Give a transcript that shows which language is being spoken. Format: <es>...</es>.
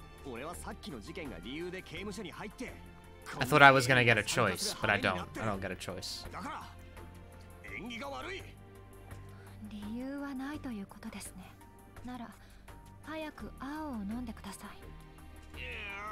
<ja>俺はさっきの事件が理由で刑務所に入って。</ja> <en>I thought I was gonna get a choice, but I don't get a choice.</en> <ja>だから演技が悪い。理由はないということですね。なら。早く青を飲んでください。</ja>